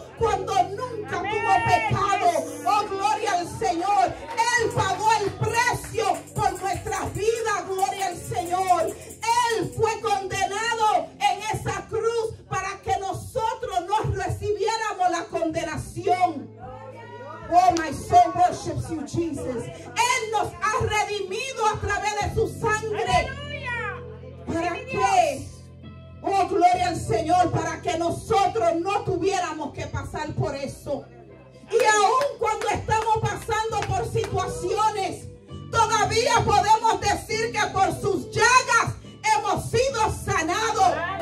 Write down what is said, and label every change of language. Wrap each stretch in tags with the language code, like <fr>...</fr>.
<es>Cuando nunca tuvo pecado. Oh, gloria al Señor. Él pagó el precio por nuestras vidas. Gloria al Señor. Él fue condenado en esa cruz para que nosotros no recibiéramos la condenación.</es> <en>Oh, my soul worships you, Jesus.</en> <es>Él nos ha redimido a través de su sangre. ¡Aleluya! ¿Para qué? Oh, gloria al Señor, para que nosotros no tuviéramos que pasar por eso. Y aún cuando estamos pasando por situaciones, todavía podemos decir que por sus llagas hemos sido sanados.</es>